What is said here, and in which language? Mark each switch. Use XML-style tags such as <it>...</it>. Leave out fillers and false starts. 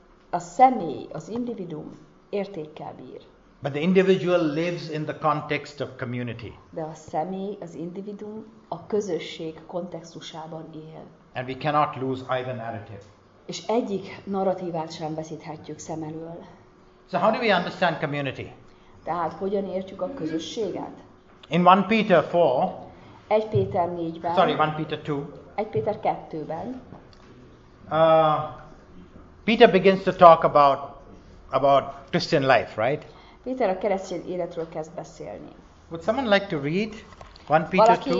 <hu>A személy, az individuum értékkel bír.</hu> <en>But the individual lives in the context of community.</en> <hu>De a személy, az individuum a közösség kontextusában él.</hu> <en>And we cannot lose either narrative.</en> <hu>És egyik narratívát sem veszíthetjük szem elől.</hu> <en>So how do we understand community?</en> <hu>Tehát hogyan értjük a közösséget?</hu> <en>In 1 Peter 4.</en> <hu>1 Péter 4-ben.</hu> <en>Sorry, 1 Peter 2.</en> <hu>1 Péter 2-ben.</hu> <en>Peter begins to talk about Christian life, right?</en> <hu>Péter a keresztény életről kezd beszélni.</hu> <en>Would someone like to read 1 Peter 2?</en>